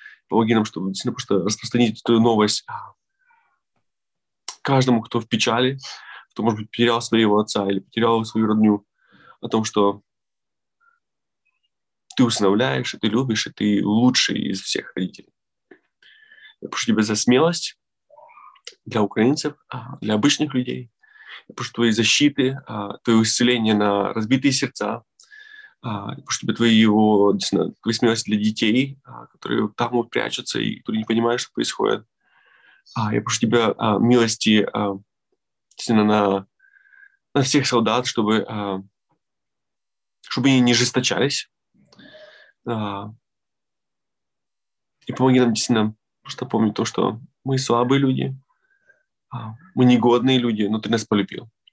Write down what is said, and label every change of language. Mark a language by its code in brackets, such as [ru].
[ru] Помоги нам, чтобы действительно просто распространить эту новость каждому, кто в печали, кто, может быть, потерял своего отца или потерял свою родню, о том, что ты усыновляешь, и ты любишь, и ты лучший из всех родителей. Я прошу тебя за смелость, [uk] для українців, для обичних людей, прошу твоєї защити, твоє усилення на розбиті серця, прошу твоєго твої смілості для дітей, які там прячуться і які не розуміють, що відбувається. [ru] Я прошу тебя милости на всех солдат, чтобы они не жесточались. И помоги нам просто помнить то, что мы слабые люди, мы негодные люди, но ты нас полюбил.